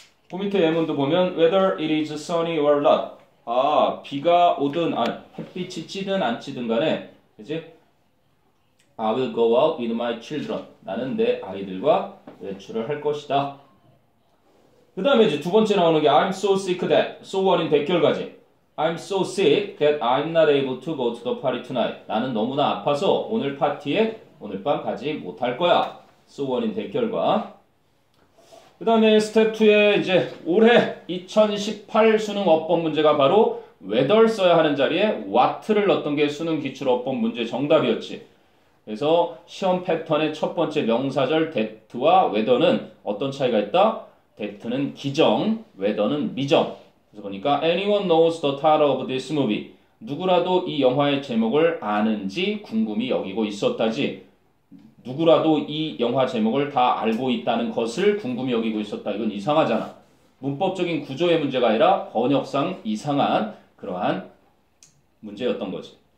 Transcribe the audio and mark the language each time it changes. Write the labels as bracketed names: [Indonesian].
[Korean] 그 밑에 예문도 보면 [English] whether it is sunny or not. [Korean] 아, 비가 오든 안 햇빛이 찌든 안 찌든 간에 그지? [English] I will go out with my children. [Korean] 나는 내 아이들과 외출을 할 것이다. 그 다음에 이제 두 번째 나오는 게 [English] I'm so sick that, so what [Korean] 인 대결까지. [English] I'm so sick that I'm not able to go to the party tonight. [Korean] 나는 너무나 아파서 오늘 파티에 오늘 밤 가지 못할 거야. [English] So what [Korean] 인 대결과. 그 다음에 스텝 2에 이제 올해 2018 수능 어법 문제가 바로 whether 써야 하는 자리에 what를 넣었던 게 수능 기출 어법 문제 정답이었지. 그래서 시험 패턴의 첫 번째 명사절 that와 whether는 어떤 차이가 있다? That는 기정, whether는 미정. 그러니까 [English] anyone knows the title of this movie. [Korean] 누구라도 이 영화의 제목을 아는지 궁금히 여기고 있었다지. 누구라도 이 영화 제목을 다 알고 있다는 것을 궁금히 여기고 있었다. 이건 이상하잖아. 문법적인 구조의 문제가 아니라 번역상 이상한 그러한 문제였던 거지.